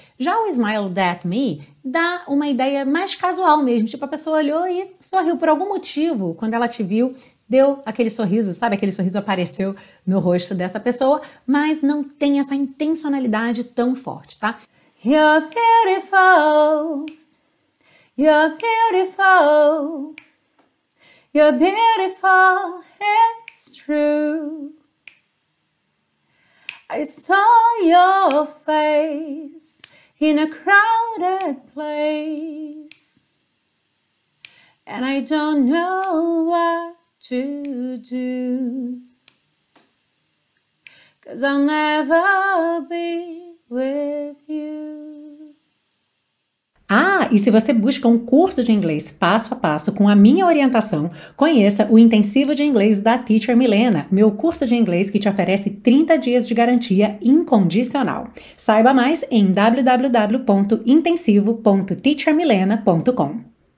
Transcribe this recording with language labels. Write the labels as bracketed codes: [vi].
[pt] Já o [en] smiled at me [pt] dá uma ideia mais casual mesmo, tipo, a pessoa olhou e sorriu por algum motivo, quando ela te viu, deu aquele sorriso, sabe? Aquele sorriso apareceu no rosto dessa pessoa, mas não tem essa intencionalidade tão forte, tá? [en] You're beautiful. You're beautiful, you're beautiful, it's true. I saw your face in a crowded place, and I don't know what to do, 'cause I'll never be with you. [pt] Ah, e se você busca um curso de inglês passo a passo com a minha orientação, conheça o Intensivo de Inglês da Teacher Milena, meu curso de inglês que te oferece 30 dias de garantia incondicional. Saiba mais em www.intensivo.teachermilena.com.